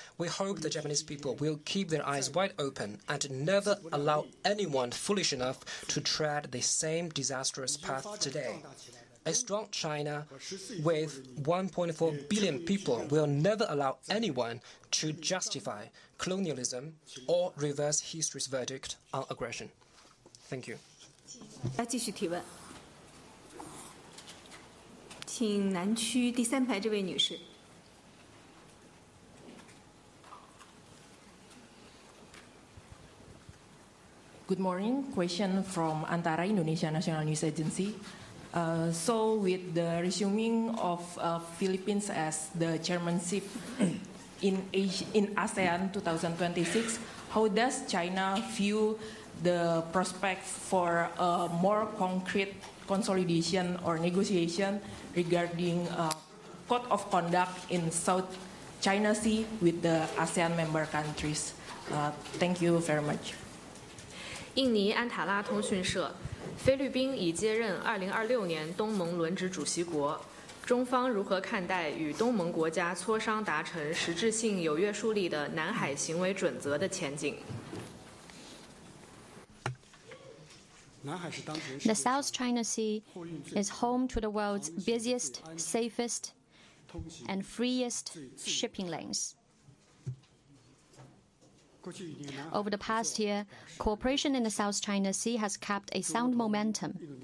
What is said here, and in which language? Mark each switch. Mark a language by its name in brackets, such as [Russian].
[English] We hope the Japanese people will keep their eyes wide open and never allow anyone foolish enough to tread the same disastrous path today. A strong China with 1.4 billion people will never allow anyone to justify colonialism or reverse history's verdict on aggression. Thank you. [Chinese] 继续提问。请南区第三排这位女士。 [English] Good morning. Question from Antara, Indonesia National News Agency. So with the resuming of Philippines as the chairmanship in ASEAN 2026, how does China view the prospect for a more concrete consolidation or negotiation regarding a code of conduct in South China Sea with the ASEAN member countries? Thank you very much. [Chinese] 印尼安塔拉通讯社，菲律宾已接任2026年东盟轮值主席国，中方如何看待与东盟国家磋商达成实质性有约束力的南海行为准则的前景？ [English] The South China Sea is home to the world's busiest, safest, and freest shipping lanes. Over the past year, cooperation in the South China Sea has kept a sound momentum.